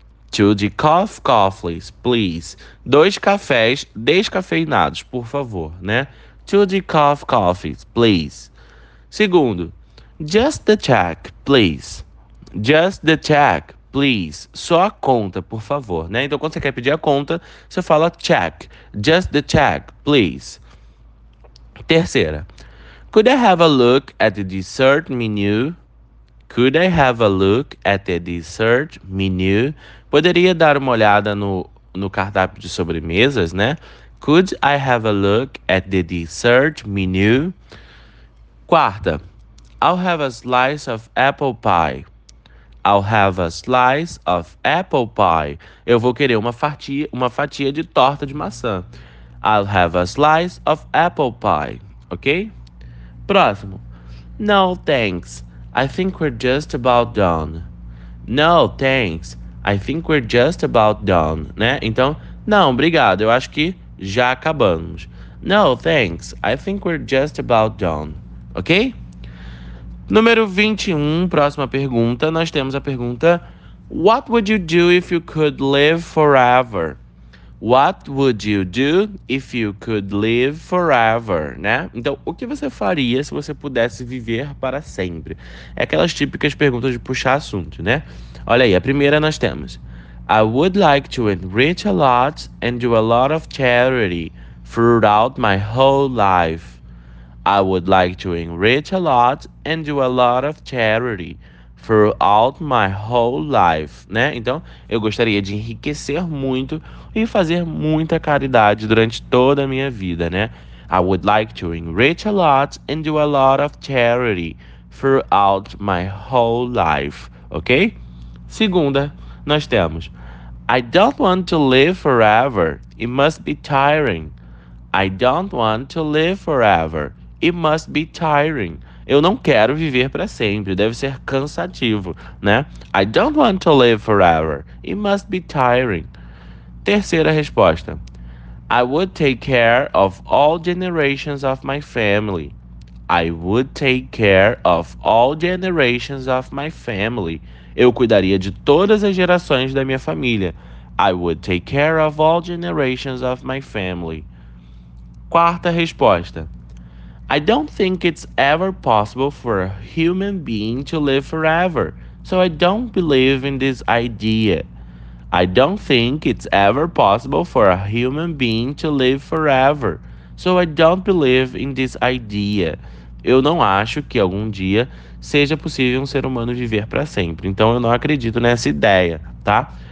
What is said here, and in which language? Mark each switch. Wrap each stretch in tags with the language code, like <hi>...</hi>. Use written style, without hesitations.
<en>Two decaf coffees, please.</en> <pt>Dois cafés descafeinados, por favor, né?</pt> <en>Two decaf coffees, please.</en> <pt>Segundo,</pt> <en>just the check, please. Just the check, please.</en> <pt>Só a conta, por favor, né? Então, quando você quer pedir a conta, você fala check.</pt> <en>Just the check, please.</en> <pt>Terceira,</pt> <en>could I have a look at the dessert menu? Could I have a look at the dessert menu?</en> <pt>Poderia dar uma olhada no cardápio de sobremesas, né?</pt> <en>Could I have a look at the dessert menu?</en> <pt>Quarta,</pt> <en>I'll have a slice of apple pie. I'll have a slice of apple pie.</en> <pt>Eu vou querer uma fatia de torta de maçã.</pt> <en>I'll have a slice of apple pie, ok?</en> <pt>Próximo,</pt> <en>no thanks. I think we're just about done. No thanks. I think we're just about done, né?</en> <pt>Então, não, obrigado, eu acho que já acabamos.</pt> <en>No, thanks. I think we're just about done. Ok?</en> <pt>Número 21, próxima pergunta. Nós temos a pergunta:</pt> <en>What would you do if you could live forever? What would you do if you could live forever? Né?</en> <pt>Então, o que você faria se você pudesse viver para sempre? É aquelas típicas perguntas de puxar assunto, né? Olha aí, a primeira nós temos:</pt> <en>I would like to enrich a lot and do a lot of charity. Throughout my whole life, I would like to enrich a lot and do a lot of charity throughout my whole life, né?</en> <pt>Então, eu gostaria de enriquecer muito e fazer muita caridade durante toda a minha vida, né?</pt> <en>I would like to enrich a lot and do a lot of charity throughout my whole life, ok?</en> <pt>Segunda, nós temos:</pt> <en>I don't want to live forever. It must be tiring. I don't want to live forever. It must be tiring.</en> <pt>Eu não quero viver para sempre. Deve ser cansativo, né?</pt> <en>I don't want to live forever. It must be tiring.</en> <pt>Terceira resposta:</pt> <en>I would take care of all generations of my family. I would take care of all generations of my family.</en> <pt>Eu cuidaria de todas as gerações da minha família.</pt> <en>I would take care of all generations of my family.</en> <pt>Quarta resposta:</pt> <en>I don't think it's ever possible for a human being to live forever, so I don't believe in this idea. I don't think it's ever possible for a human being to live forever, so I don't believe in this idea.</en> <pt>Eu não acho que algum dia seja possível um ser humano viver para sempre, então eu não acredito nessa ideia, tá?</pt>